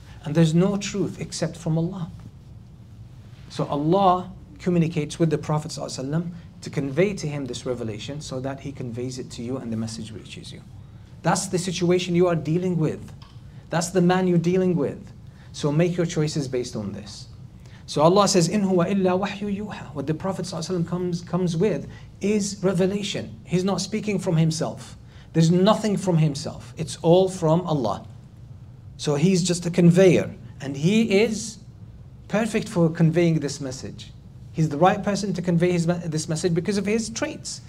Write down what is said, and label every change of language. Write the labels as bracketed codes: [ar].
[en] And there's no truth except from Allah. So Allah communicates with the Prophet to convey to him this revelation so that he conveys it to you and the message reaches you. That's the situation you are dealing with. That's the man you're dealing with. So make your choices based on this. [ar] So Allah says, إِنْ هُوَ إِلَّا وَحْيُّ يُوحَى. [en] What the Prophet comes with is revelation. He's not speaking from himself. There's nothing from himself. It's all from Allah. So he's just a conveyor. And he is perfect for conveying this message. He's the right person to convey this message because of his traits.